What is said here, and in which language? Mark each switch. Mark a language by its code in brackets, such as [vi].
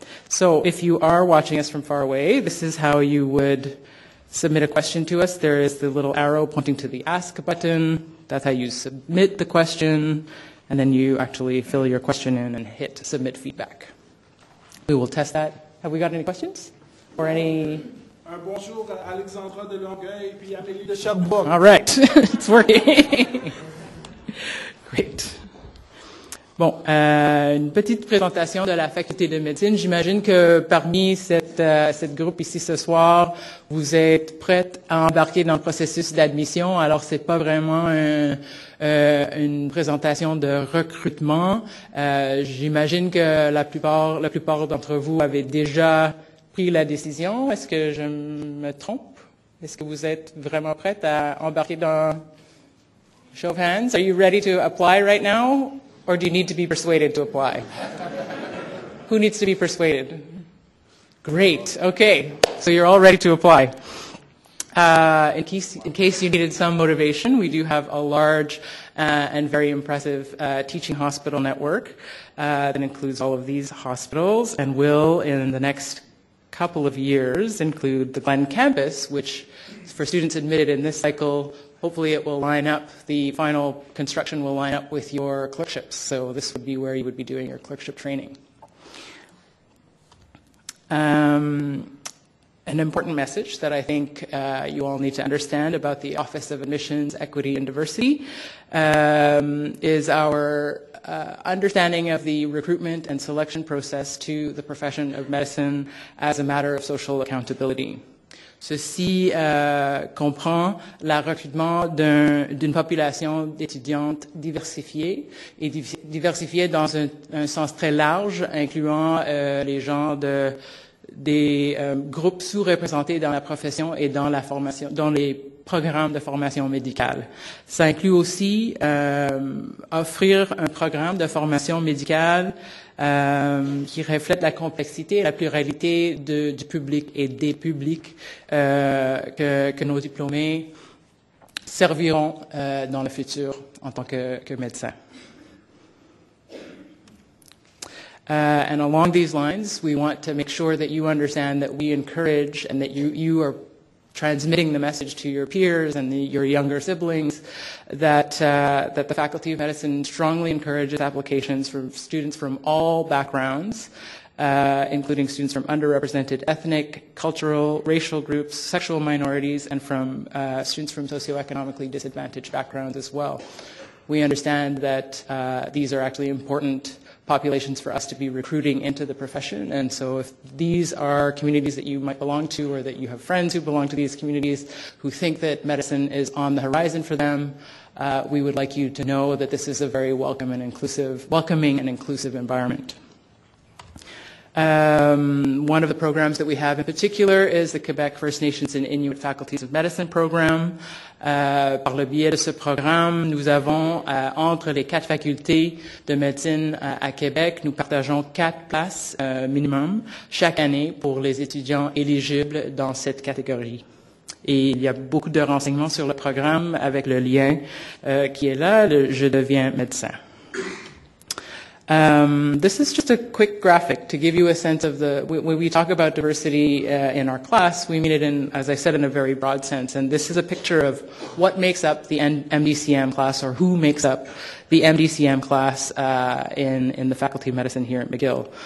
[en] So if you are watching us from far away, this is how you would submit a question to us. There is the little arrow pointing to the ask button. That's how you submit the question, and then you actually fill your question in and hit submit feedback. We will test that. Have we got any questions? Or any... [fr] Bonjour, Alexandra de Longueuil, puis Amélie de Sherbrooke. [en] All right. It's working. Great. [fr] Bon, une petite présentation de la Faculté de médecine. J'imagine que parmi cette groupe ici ce soir, vous êtes prête à embarquer dans le processus d'admission. Alors, c'est pas vraiment une présentation de recrutement. J'imagine que la plupart d'entre vous avez déjà pris la décision. Est-ce que je me trompe? Est-ce que vous êtes vraiment prête à embarquer dans... [en] Show of hands, are you ready to apply right now? Or do you need to be persuaded to apply? Who needs to be persuaded? Great. Okay. So you're all ready to apply. In case you needed some motivation, we do have a large and very impressive teaching hospital network that includes all of these hospitals and will, in the next couple of years, include the Glenn campus, which for students admitted in this cycle, hopefully it will line up, the final construction will line up with your clerkships. So this would be where you would be doing your clerkship training. An important message that I think you all need to understand about the Office of Admissions, Equity, and Diversity is our understanding of the recruitment and selection process to the profession of medicine as a matter of social accountability. [fr] Ceci comprend le recrutement d'une population d'étudiantes diversifiée et diversifiée dans un sens très large, incluant les gens des groupes sous-représentés dans la profession et dans la formation, dans les programmes de formation médicale. Ça inclut aussi offrir un programme de formation médicale qui reflète la complexité et la pluralité du public et des publics que nos diplômés serviront dans le futur en tant que médecins. [en] And along these lines, we want to make sure that you understand that we encourage and that you are transmitting the message to your peers and your younger siblings that the Faculty of Medicine strongly encourages applications from students from all backgrounds, including students from underrepresented ethnic, cultural, racial groups, sexual minorities, and from students from socioeconomically disadvantaged backgrounds as well. We understand that these are actually important populations for us to be recruiting into the profession. And so if these are communities that you might belong to, or that you have friends who belong to these communities who think that medicine is on the horizon for them, we would like you to know that this is a very welcoming and inclusive environment. One of the programs that we have in particular is the Quebec First Nations and Inuit Faculties of Medicine program. [fr] Par le biais de ce programme, nous avons entre les quatre facultés de médecine à Québec, nous partageons quatre places minimum chaque année pour les étudiants éligibles dans cette catégorie. Et il y a beaucoup de renseignements sur le programme avec le lien qui est là, le « Je deviens médecin ». [en] This is just a quick graphic to give you a sense of the, when we talk about diversity in our class, we mean it in, as I said, in a very broad sense. And this is a picture of what makes up the MDCM class, or who makes up the MDCM class in the Faculty of Medicine here at McGill.